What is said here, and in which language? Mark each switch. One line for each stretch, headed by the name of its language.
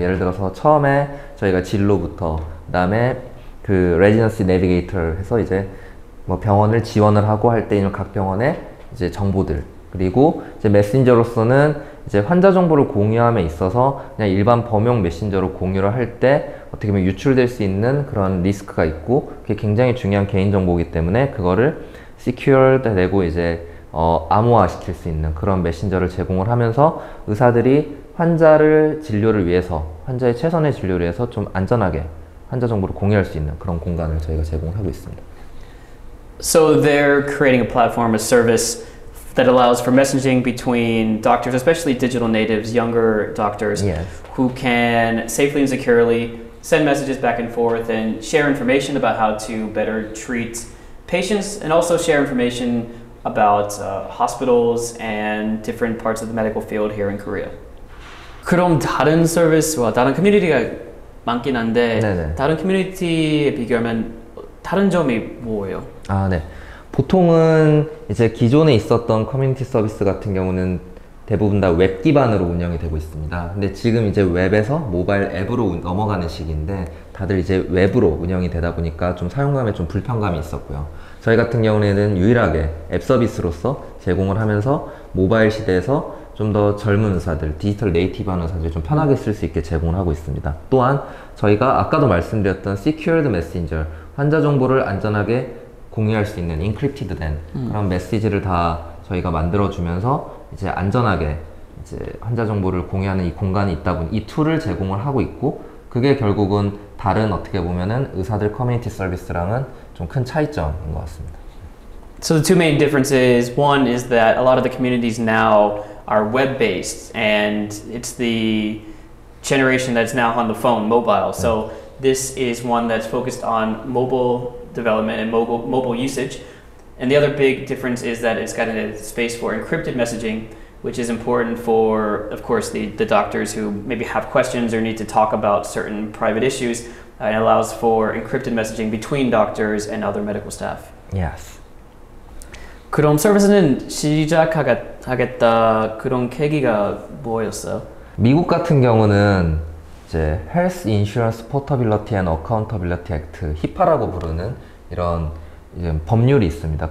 Korean: 예를 들어서 처음에 저희가 진로부터 그다음에 그 레지던시 내비게이터를 해서 이제 뭐 병원을 지원을 하고 할 때 있는 각 병원의 이제 정보들 그리고 이제 메신저로서는 이제 환자 정보를 공유함에 있어서 그냥 일반 범용 메신저로 공유를 할 때 어떻게 보면 유출될 수 있는 그런 리스크가 있고 그게 굉장히 중요한 개인 정보이기 때문에 그거를 secured 되고 이제 암호화 시킬 수 있는 그런 메신저를 제공을 하면서 의사들이 환자를 진료를 위해서 환자의 최선의 진료를 위해서 좀 안전하게 환자 정보를 공유할 수 있는 그런 공간을 저희가 제공을 하고 있습니다.
English: So they're creating a platform, a service that allows for messaging between doctors, especially digital natives, younger doctors, yes. who can safely and securely send messages back and forth and share information about how to better treat patients and also share information about hospitals and different parts of the medical field here in Korea.
Korean: 그럼 다른 서비스와 다른 커뮤니티가 많긴 한데 네네. 다른 커뮤니티에 비교하면 다른 점이 뭐예요? 아, 네. 보통은 이제 기존에 있었던 커뮤니티 서비스 같은 경우는 대부분 다 웹 기반으로 운영이 되고 있습니다. 근데 지금 이제 웹에서 모바일 앱으로 넘어가는 시기인데 다들 이제 웹으로 운영이 되다 보니까 좀 사용감에 좀 불편감이 있었고요. 저희 같은 경우에는 유일하게 앱 서비스로서 제공을 하면서 모바일 시대에서 좀 더 젊은 의사들, 디지털 네이티브한 의사들이 좀 편하게 쓸 수 있게 제공을 하고 있습니다. 또한 저희가 아까도 말씀드렸던 secured messenger, 환자 정보를 안전하게 공유할 수 있는 encrypted 된 그런 메시지를 다 저희가 만들어 주면서 이제 안전하게 이제 환자 정보를 공유하는 이 공간이 있다 보니 이 툴을 제공을 하고 있고 그게 결국은 다른 어떻게 보면은 의사들 커뮤니티 서비스랑은 좀 큰 차이점인 것 같습니다.
English: So the two main differences, one is that a lot of the communities now are web-based and it's the generation that's now on the phone, mobile. So this is one that's focused on mobile development and mobile usage. And the other big difference is that it's got a space for encrypted messaging, which is important for, of course, the doctors who maybe have questions or need to talk about certain private issues. It allows for encrypted messaging between doctors and other medical staff. Yes.
Korean: 그럼 서비스는 시작하겠다 그런 계기가 뭐였어요? 미국 같은 경우는 이제 Health Insurance Portability and Accountability Act, HIPAA라고 부르는 이런 이제 법률이 있습니다.